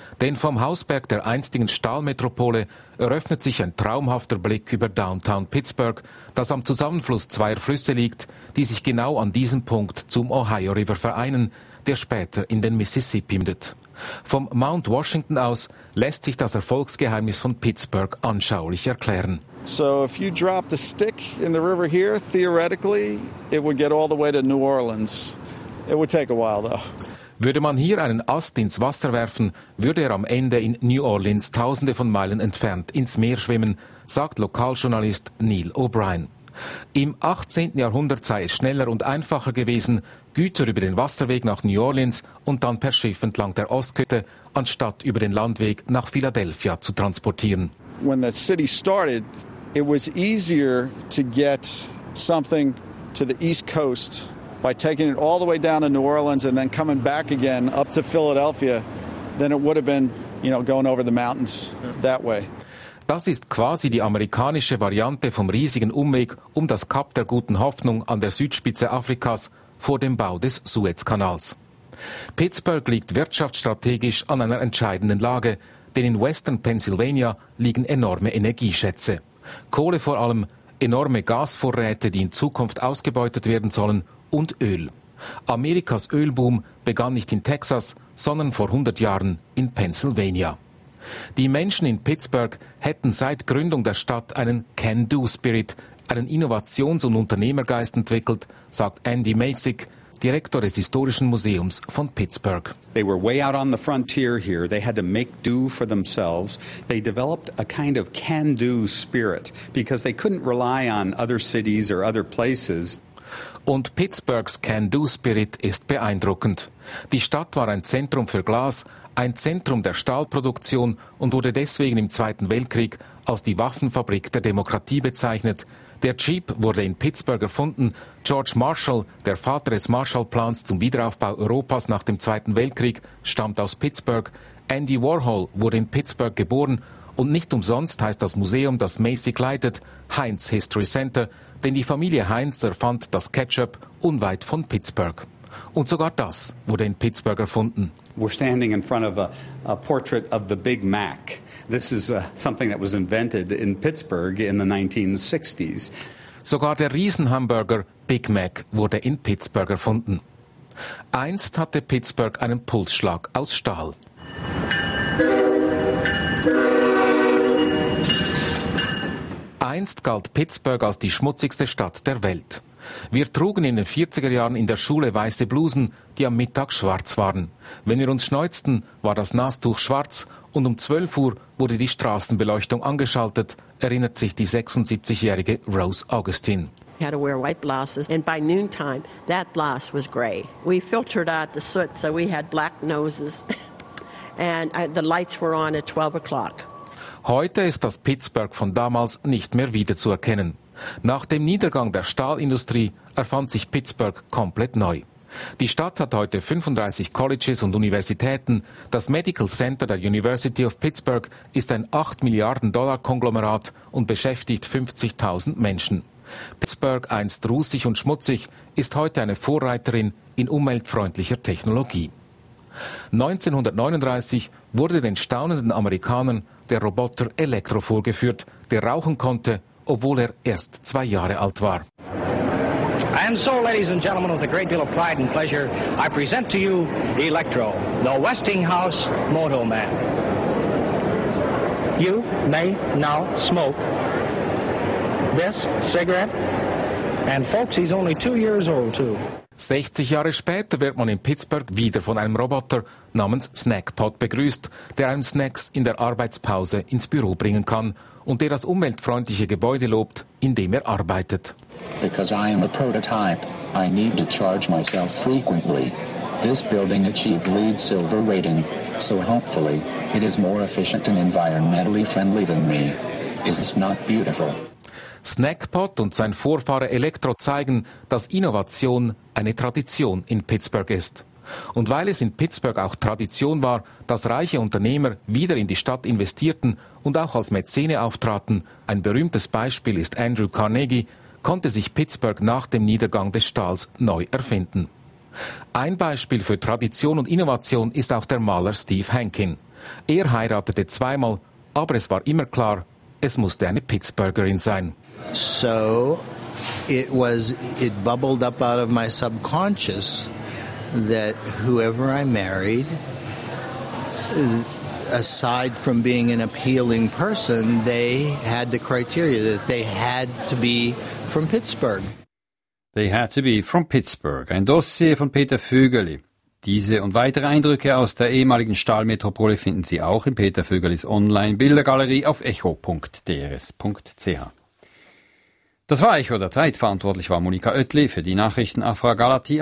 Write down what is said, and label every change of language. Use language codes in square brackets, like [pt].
[de] Denn vom Hausberg der einstigen Stahlmetropole eröffnet sich ein traumhafter Blick über Downtown Pittsburgh, das am Zusammenfluss zweier Flüsse liegt, die sich genau an diesem Punkt zum Ohio River vereinen, der später in den Mississippi mündet. Vom Mount Washington aus lässt sich das Erfolgsgeheimnis von Pittsburgh anschaulich erklären. [en] So if you dropped a stick in the river here, theoretically, it would get all the way to New Orleans. It would take a while though. [de] Würde man hier einen Ast ins Wasser werfen, würde er am Ende in New Orleans tausende von Meilen entfernt ins Meer schwimmen, sagt Lokaljournalist Neil O'Brien. Im 18. Jahrhundert sei es schneller und einfacher gewesen, Güter über den Wasserweg nach New Orleans und dann per Schiff entlang der Ostküste, anstatt über den Landweg nach Philadelphia zu transportieren. [en] When the city started, it was easier to get something to the East Coast by taking it all the way down to New Orleans and then coming back again up to Philadelphia than it would have been, you know, going over the mountains that way. [de] Das ist quasi die amerikanische Variante vom riesigen Umweg um das Kap der Guten Hoffnung an der Südspitze Afrikas vor dem Bau des Suezkanals. Pittsburgh liegt wirtschaftsstrategisch an einer entscheidenden Lage, denn in Western Pennsylvania liegen enorme Energieschätze. Kohle vor allem, enorme Gasvorräte, die in Zukunft ausgebeutet werden sollen, und Öl. Amerikas Ölboom begann nicht in Texas, sondern vor 100 Jahren in Pennsylvania. Die Menschen in Pittsburgh hätten seit Gründung der Stadt einen Can-Do-Spirit, einen Innovations- und Unternehmergeist entwickelt, sagt Andy Macek, Direktor des Historischen Museums von Pittsburgh. [en] They were way out on the frontier here. They had to make do for themselves. They developed a kind of can-do spirit, because they couldn't rely on other cities or other places. [de] Und Pittsburghs Can-Do-Spirit ist beeindruckend. Die Stadt war ein Zentrum für Glas, ein Zentrum der Stahlproduktion und wurde deswegen im Zweiten Weltkrieg als die Waffenfabrik der Demokratie bezeichnet. Der Jeep wurde in Pittsburgh erfunden. George Marshall, der Vater des Marshallplans zum Wiederaufbau Europas nach dem Zweiten Weltkrieg, stammt aus Pittsburgh. Andy Warhol wurde in Pittsburgh geboren. Und nicht umsonst heißt das Museum, das Macek leitet, Heinz History Center, denn die Familie Heinz erfand das Ketchup unweit von Pittsburgh. Und sogar das wurde in Pittsburgh erfunden. [en] We're standing in front of a portrait of the Big Mac. This is something that was invented in Pittsburgh in the 1960s. [de] Sogar der Riesenhamburger Big Mac wurde in Pittsburgh erfunden. Einst hatte Pittsburgh einen Pulsschlag aus Stahl. Einst galt Pittsburgh als die schmutzigste Stadt der Welt. Wir trugen in den 40er Jahren in der Schule weiße Blusen, die am Mittag schwarz waren. Wenn wir uns schneuzten, war das Nastuch schwarz und um 12 Uhr wurde die Straßenbeleuchtung angeschaltet, erinnert sich die 76-jährige Rose Augustine. [en] We had to wear white blouses and by noontime that blouse was gray. We filtered out the soot, so we had black noses and the lights were on at 12 o'clock. [de] Heute ist das Pittsburgh von damals nicht mehr wiederzuerkennen. Nach dem Niedergang der Stahlindustrie erfand sich Pittsburgh komplett neu. Die Stadt hat heute 35 Colleges und Universitäten. Das Medical Center der University of Pittsburgh ist ein 8 Milliarden Dollar Konglomerat und beschäftigt 50.000 Menschen. Pittsburgh, einst rußig und schmutzig, ist heute eine Vorreiterin in umweltfreundlicher Technologie. 1939 wurde den staunenden Amerikanern der Roboter Elektro vorgeführt, der rauchen konnte, obwohl er erst 2 Jahre alt war. [en] And so, ladies and gentlemen, with a great deal of pride and pleasure, I present to you Electro, the Westinghouse Moto Man. You may now smoke this cigarette. And folks, he's only 2 years old too. [de] 60 Jahre später wird man in Pittsburgh wieder von einem Roboter namens Snackpot begrüßt, der einem Snacks in der Arbeitspause ins Büro bringen kann und der das umweltfreundliche Gebäude lobt, in dem er arbeitet. [en] Because I am a prototype, I need to charge myself frequently. This building achieved LEED Silver rating, so hopefully it is more efficient and environmentally friendly than me. Is this not beautiful? [de] Snackpot und sein Vorfahre Elektro zeigen, dass Innovation eine Tradition in Pittsburgh ist. Und weil es in Pittsburgh auch Tradition war, dass reiche Unternehmer wieder in die Stadt investierten und auch als Mäzene auftraten, ein berühmtes Beispiel ist Andrew Carnegie, konnte sich Pittsburgh nach dem Niedergang des Stahls neu erfinden. Ein Beispiel für Tradition und Innovation ist auch der Maler Steve Hankin. Er heiratete zweimal, aber es war immer klar, es musste eine Pittsburgherin sein. [en] So, it bubbled up out of my subconscious that whoever I married, aside from being an appealing person, they had the criteria that they had to be from Pittsburgh. They had to be from Pittsburgh. [de] Ein Dossier von Peter Vögerli. Diese und weitere Eindrücke aus der ehemaligen Stahlmetropole finden Sie auch in Peter Vögerlis Online-Bildergalerie auf echo.drs.ch. Das war Echo der Zeit. Verantwortlich war Monika Oetli. Für die Nachrichten Afra Galati.